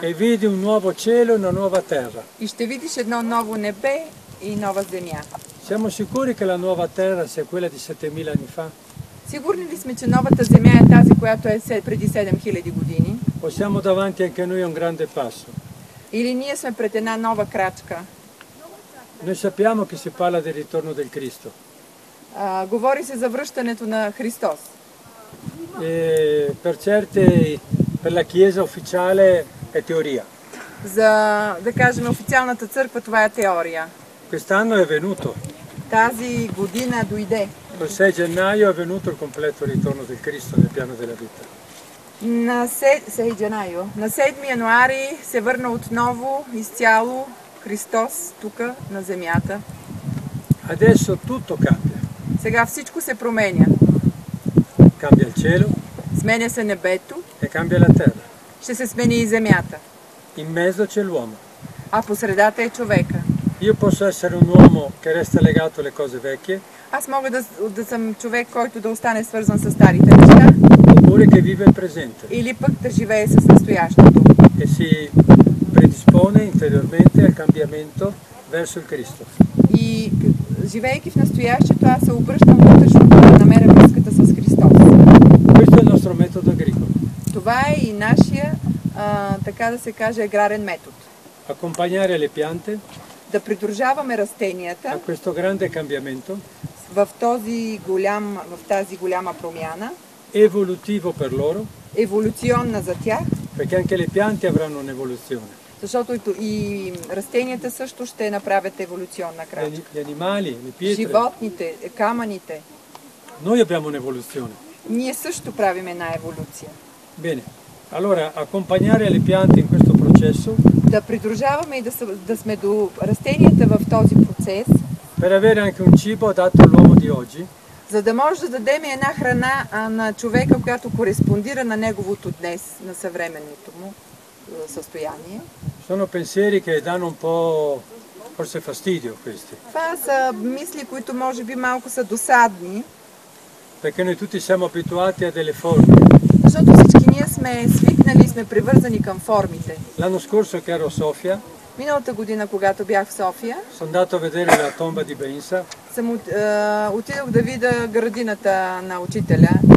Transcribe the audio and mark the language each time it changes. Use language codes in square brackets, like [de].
[it] E vidi un nuovo cielo e una nuova terra. [bg] И ще видиш едно ново небе и нова земя. [it] Siamo sicuri che la nuova terra sia quella di 7000 anni fa? [bg] Сигурни ли сме, че новата земя е тази, която е преди 7000 години? [it] O siamo davanti anche noi un grande passo. [bg] Или ние сме пред една нова крачка? [it] Noi sappiamo che si parla del ritorno del Cristo. [bg] Говори се за връщането на Христос. [it] E per certe, per la Chiesa ufficiale è teoria. [bg] За, да кажем, официалната църква това е теория. [it] Quest'anno è venuto. [bg] Тази година дойде. [it] Il 6 gennaio è venuto il completo ritorno del Cristo nel piano della vita. [bg] На 7 януари се върна отново изцяло Христос тук на земята. [it] Adesso tutto cambia. [bg] Сега всичко се променя. [it] Cambia il cielo. [bg] Сменя се небето. [it] E cambia la terra. [bg] Ще се смени и земята. [it] In mezzo c'è l'uomo. [bg] А посредата е човека. [it] Io posso essere un uomo che resta legato alle cose vecchie. [bg] Аз мога да съм човек, който да остане свързан с старите неща. [it] Oppure che vive il presente. [bg] Или пък да живее с настоящето. [it] E si predispone interiormente al cambiamento verso il Cristo. [bg] И живеейки в настоящето, аз се обръщам вътрешно, за да намеря връзката с Христос. [it] Questo è il nostro metodo agricolo. [bg] Това е и нашия, така да се каже, аграрен метод. [it] Accompagnare le piante. [bg] Да придружаваме растенията. [it] A questo grande cambiamento. [bg] В тази голяма промяна. [it] Evolutivo per loro. [bg] Еволюционна за тях. [it] Perché anche le piante avranno un'evoluzione. [bg] Защото и растенията също ще направят еволюционна крачка. [it] Gli animali, le pietre. [bg] Животните, камъните. [it] Noi abbiamo un'evoluzione. [bg] Ние също правим една еволюция. [it] Bene. Allora, accompagnare le piante in questo processo. [bg] Да придружаваме и да сме до растенията в този процес. [it] Per avere anche un cibo adatto all'uomo di oggi. [bg] За да може да дадем една храна на човека, която кореспондира на неговото днес, на съвременното му състояние. [it] Sono pensieri che danno un po' forse fastidio questi. [bg] Това са мисли, които може би малко са досадни. [it] Perché noi tutti siamo abituati a delle forme. [bg] Защото всички ние сме свикнали, сме привързани към формите. [it] L'anno scorso che ero a Sofia. [bg] Миналата година, когато бях в София, [it] sono andato a vedere la tomba di Bensa. [bg] Съм отидох да видя градината на учителя.